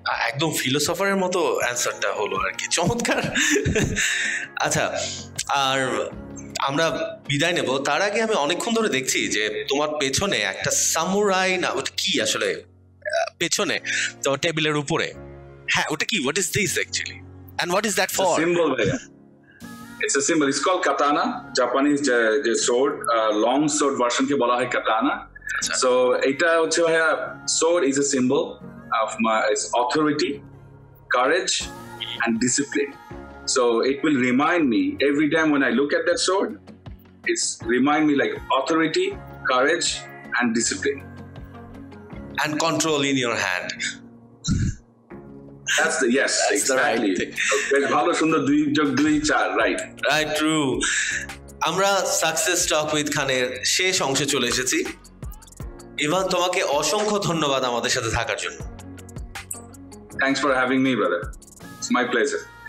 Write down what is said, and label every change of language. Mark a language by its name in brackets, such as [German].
[Bangla] একদম ফিলোসফারের মতো অ্যান্সারটা হলো আর কি, চমৎকার। আচ্ছা, আর আমরা বিদায় নেব, তার আগে আমি অনেকক্ষণ ধরে দেখছি যে তোমার পেছনে একটা সামুরাই, না ওটা কি আসলে পেছনে তো টেবিলের উপরে, হ্যাঁ ওটা কি, [English] What is this actually and what is that for? [Bangla] Symbol, [English] it's a symbol, it's call katana, [Bangla] Japanese যে সোর্ড, লং সোর্ড ভার্সন কে বলা হয় কাতানা। [English] so [Bangla] এটা হচ্ছে ভাইয়া, [English] Sword is a symbol of my it's authority, courage and discipline. So it will remind me every time when I look at that sword, it's remind me like authority, courage and discipline and control in your hand. That's the, yes, that's exactly [Bangla] ভালো সুন্দর দুই যোগ দুই চার, [English] right, right, true. [Bangla] আমরা success talk with খানের শেষ অংশে চলে এসেছি। ইভান, তোমাকে অসংখ্য ধন্যবাদ আমাদের সাথে থাকার জন্য। [English] Thanks for having me brother, it's my pleasure.